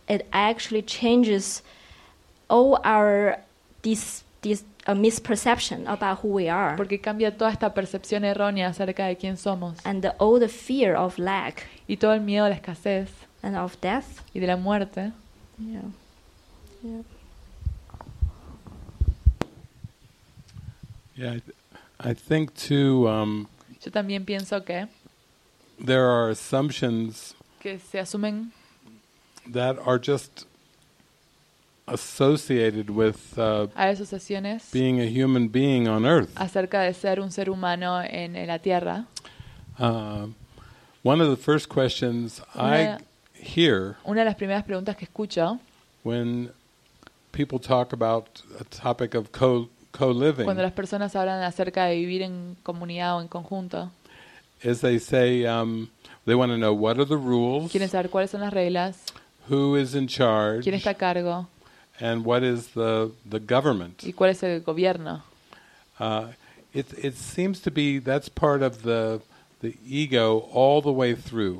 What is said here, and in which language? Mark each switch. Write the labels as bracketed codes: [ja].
[en] It actually changes all our this misperception about who we are. [es] Porque cambia toda esta percepción errónea acerca de quién somos. [en] And all the fear of lack. [es] Y todo el miedo a la escasez. [en] And of death. [es] Y de la muerte. [en] Yeah, I think too. [es] Yo también pienso que [en] there are assumptions [es] que se asumen [en] that are just associated with being a human being on earth. [es] Acerca de ser un ser humano en la tierra. [en] One of the first questions [es] una de las primeras preguntas que escucho [en] when people talk about a topic of co-living, [es] cuando las personas hablan acerca de vivir en comunidad o en conjunto, [en] is they say they want to know what are the rules. [es] Quieren saber cuáles son las reglas. [en] Who is in charge? [es] ¿Quién está a cargo? [en] And what is the government? [es] ¿Y cuál es el gobierno? [en] It seems to be that's part of the ego all the way through.